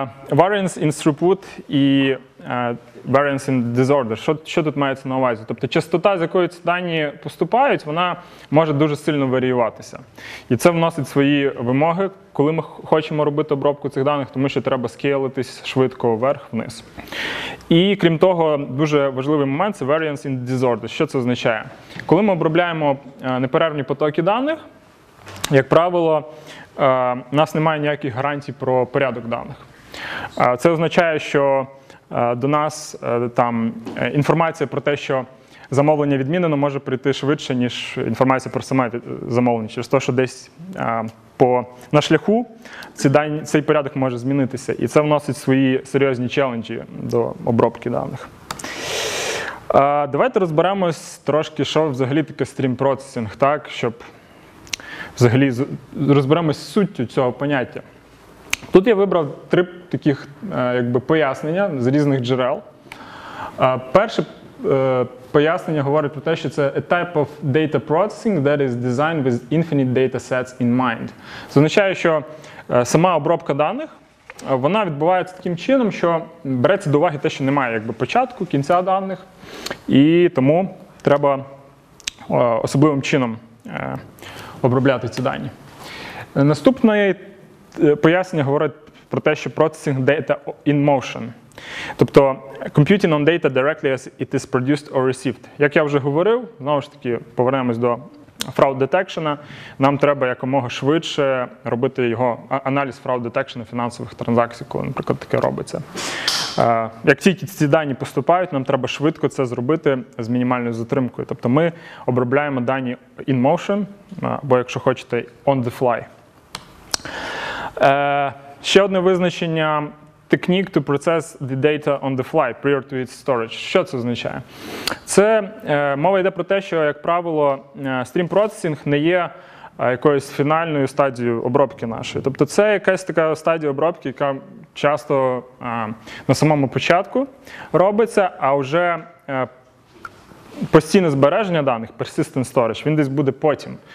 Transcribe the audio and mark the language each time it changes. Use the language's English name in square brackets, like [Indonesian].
[English] Variance in throughput [Ukrainian] і [English] variance in disorder. [Ukrainian] Що тут мається на увазі? Тобто частота, з якою ці дані поступають, вона може дуже сильно варіюватися. І це вносить свої вимоги, коли ми хочемо робити обробку цих даних, тому що треба скейлитись швидко вверх-вниз. І крім того, дуже важливий момент – це [English] variance in disorder. [Ukrainian] Що це означає? Коли ми обробляємо неперервні потоки даних, як правило, у нас немає ніяких гарантій про порядок даних. Це означає, що до нас там інформація про те, що замовлення відмінено може прийти швидше, ніж інформація про саме замовлення. Через те, що десь на шляху цей порядок може змінитися. І це вносить свої серйозні челенджі до обробки даних. Давайте розберемось трошки, що взагалі таке стрім-процесінг, так, щоб взагалі розберемось суттю цього поняття. Тут я вибрав три таких якби пояснення з різних джерел. Перше пояснення говорить про те, що це [English] a type of data processing that is designed with infinite data sets in mind. [Ukrainian] Це означає, що сама обробка даних, вона відбувається таким чином, що береться до уваги те, що немає якби початку, кінця даних, і тому треба особливим чином обробляти ці дані. Наступне пояснення говорить про те, що [English] processing data in motion. [Ukrainian] Тобто, [English] computing on data directly as it is produced or received. [Ukrainian] Як я вже говорив, знову ж таки, повернемось до [English] fraud detection, [Ukrainian] нам треба якомога швидше робити його аналіз fraud detection фінансових транзакцій, коли, наприклад, таке робиться. Як тільки ці дані поступають, нам треба швидко це зробити з мінімальною затримкою. Тобто ми обробляємо дані [English] in motion, [Ukrainian] або, якщо хочете, [English] on the fly. [Ukrainian] Ще одне визначення [English] technique to process the data on the fly prior to its storage. [Ukrainian] Що це означає? Це мова йде про те, що, як правило, stream processing не є якоюсь фінальною стадією обробки нашої. Тобто це якась така стадія обробки, яка часто на самому початку робиться, а вже постійне збереження даних, [English] persistent storage, [Ukrainian] він десь буде потім.